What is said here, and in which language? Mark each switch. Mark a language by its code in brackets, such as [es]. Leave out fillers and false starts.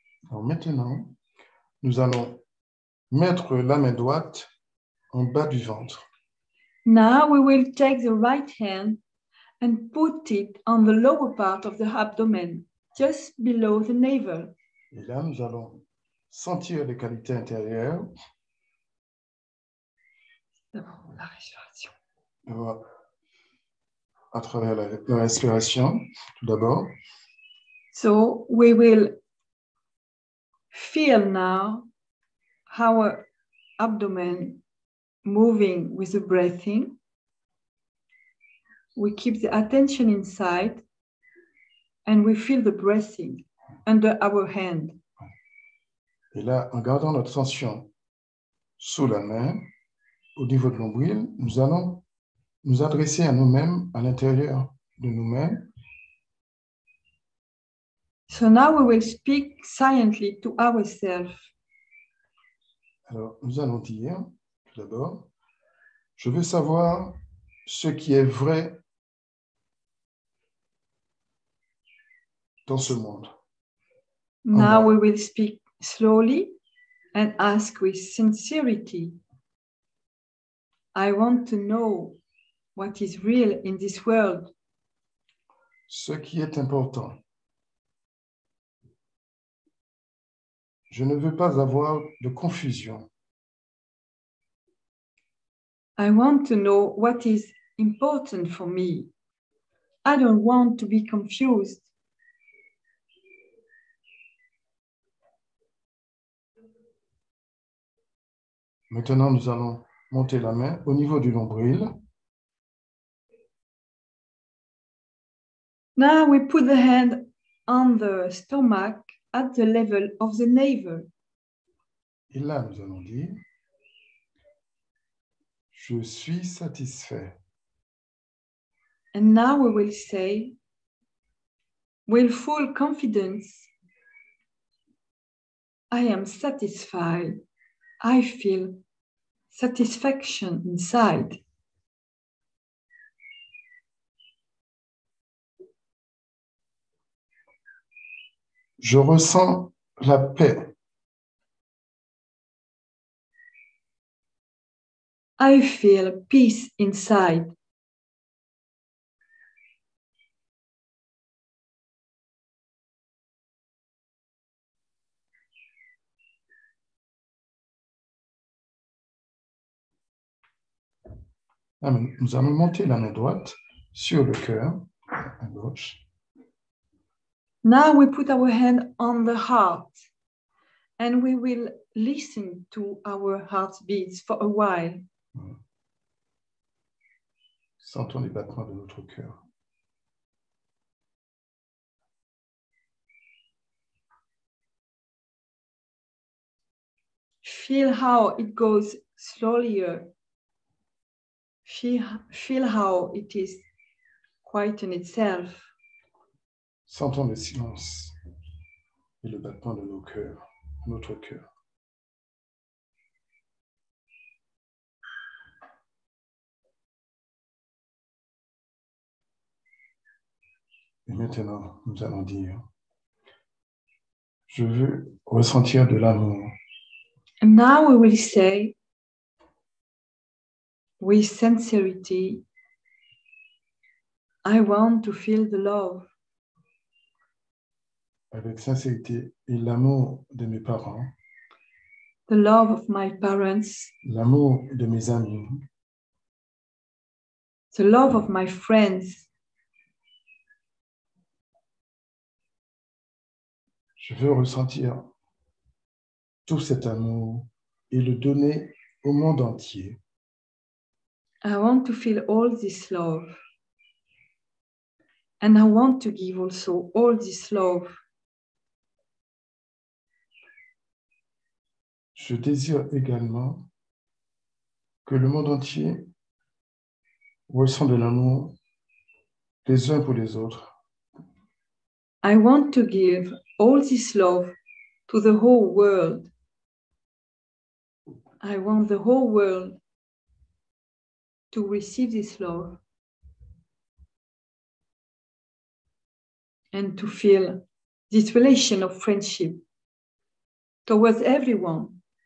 [fr] Alors maintenant, nous allons mettre la main droite en bas du ventre. [en] Now we will take the right hand and put it on the lower part of the abdomen. Just below the navel. [fr] Et là, nous allons sentir les cavités intérieures. La respiration. Voilà. À travers la respiration, tout d'abord. [en] So, we will feel now how our abdomen moving with the breathing. We keep the attention inside. And we feel the breathing under our hand. [fr] Et là, en gardant notre tension sous la main, au niveau de l'ombril, nous allons nous adresser à nous-mêmes, à l'intérieur de nous-mêmes. [en] So now we will speak silently to ourselves. [fr] Alors, nous allons dire, tout d'abord, je veux savoir ce qui est vrai dans ce monde. [en] Now we will speak slowly and ask with sincerity. I want to know what is real in this world. [fr] Ce qui est important. Je ne veux pas avoir de confusion. [en] I want to know what is important for me. I don't want to be confused. [fr] Maintenant, nous allons monter la main au niveau du nombril. [en] Now we put the hand on the stomach at the level of the navel. [fr] Et là, nous allons dire, je suis satisfait. [en] And now we will say, with full confidence, I am satisfied. I feel satisfaction inside. [fr] Je ressens la paix. [en] I feel peace inside. [fr] Nous allons monter la main droite sur le cœur, à gauche. [en] Now we put our hand on the heart and we will listen to our heart beats for a while. [fr] Sentons les battements de notre cœur. [en] Feel how it goes slowlier. Feel how it is quiet in itself. [fr] Sentons le silence et le battement de nos cœurs, notre cœur. Et maintenant, nous allons dire, je veux ressentir de l'amour. [en] And now we will say, with sincerity, I want to feel the love. [fr] Avec sincérité et l'amour de mes parents. [en] The love of my parents. [fr] L'amour de mes amis. [en] The love of my friends. [fr] Je veux ressentir tout cet amour et le donner au monde entier. [en] I want to feel all this love. And I want to give also all this love. [fr] Je désire également que le monde entier ressent de l'amour les uns pour les autres. [en] I want to give all this love to the whole world. I want the whole world to receive this love and to feel this relation of friendship towards everyone.